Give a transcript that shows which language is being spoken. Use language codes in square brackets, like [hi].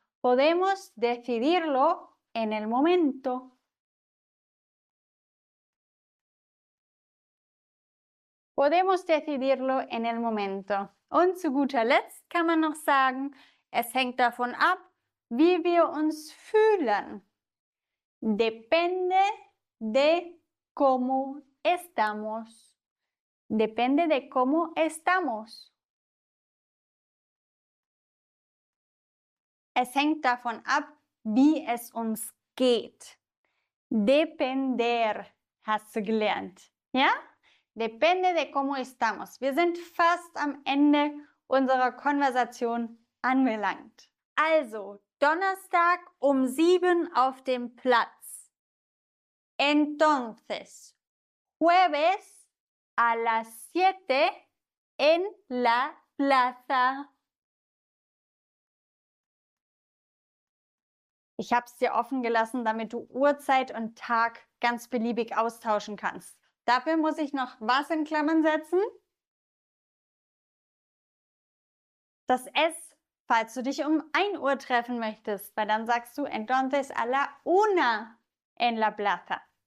[es] Podemos decidirlo en el momento. Podemos decidirlo en el momento. [de] Und zu guter Letzt kann man noch sagen, es hängt davon ab, wie wir uns fühlen. [es] Depende de cómo estamos. Depende de cómo estamos. [de] Es hängt davon ab, wie es uns geht. Depender, hast du gelernt. Ja? [es] Depende de cómo estamos. [de] Wir sind fast am Ende unserer Konversation angelangt. Also, Donnerstag um 7 auf dem Platz. [es] Entonces, jueves a las 7 en la plaza. [de] Ich habe es dir offen gelassen, damit du Uhrzeit und Tag ganz beliebig austauschen kannst. Dafür muss ich noch was in Klammern setzen? Das S, falls du dich um 1 Uhr treffen möchtest, weil dann sagst du [es] entonces a la una en la plaza.